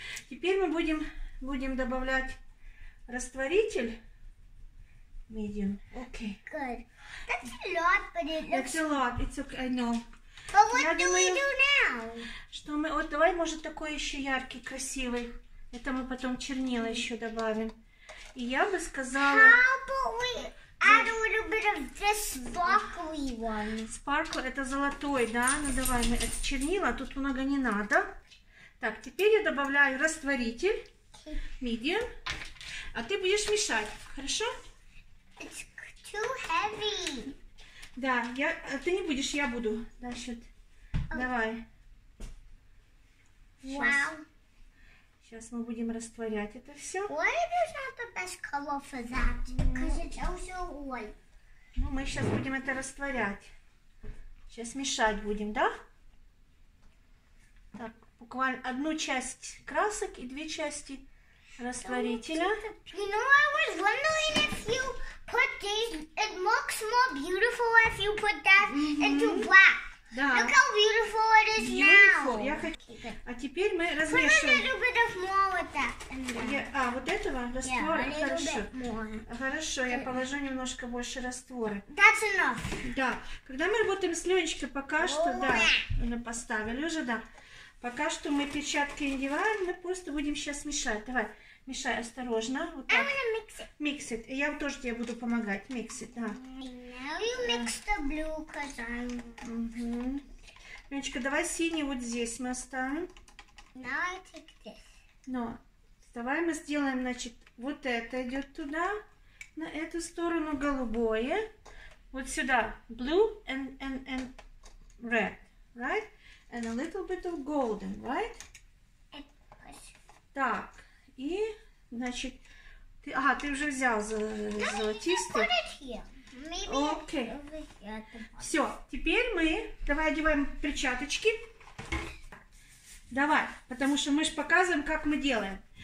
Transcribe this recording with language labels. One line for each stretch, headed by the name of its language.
Russian: Теперь мы будем добавлять растворитель.
English: Medium. Okay. Good. That's a lot, but it looks... That's a lot. It's okay. I know. But what do we do now?
Russian: Что мы... Вот давай, может, такой еще яркий, красивый. Это мы потом чернила еще добавим. И я бы сказала...
English: How about we add a little bit of this sparkly one? Sparkle
Russian: – это золотой, да? Ну, давай, мы это чернила. Тут много не надо. Так, теперь я добавляю растворитель.
English: Medium.
Russian: А ты будешь мешать. Хорошо?
English: Too heavy.
Russian: Да, ты не будешь, я буду. Значит, okay. Давай.
English: Wow.
Russian: Сейчас мы будем растворять это все.
English: White is not the best color for that, because it's also white.
Russian: Ну, мы сейчас будем это растворять. Сейчас мешать будем, да? Так, буквально одну часть красок и две части растворителя.
English: You know, I was wondering if you put these, it looks more beautiful if you put that into black.
Russian: Да.
English: Look how beautiful it is beautiful. Now.
Russian: Я хочу... А теперь мы размешиваем.
English: Put a little bit of more with that.
Russian: Вот этого раствора? Хорошо. Хорошо, я положу немножко больше раствора.
English: That's enough.
Russian: Да. Когда мы работаем с Ленечкой, пока что, да, мы поставили уже, да. Пока что мы перчатки не надеваем, мы просто будем сейчас мешать. Давай, мешай осторожно. Вот так.
English: I'm gonna mix it. Mix it.
Russian: Я тоже тебе буду помогать.
English: Mix it,
Russian: да.
English: Now you mix the blue, because I'm... Угу.
Russian: Ленечка, давай синий вот здесь мы оставим.
English: Now I take this.
Russian: Но, давай мы сделаем, значит, вот это идет туда, на эту сторону голубое. Вот сюда,
English: blue and red, right? And a little bit of golden, right?
Russian: Так, и, значит, ты уже взял золотистый.
English: Put it here. Maybe okay.
Russian: Все, теперь мы, давай одеваем перчаточки. Давай, потому что мы же показываем, как мы делаем.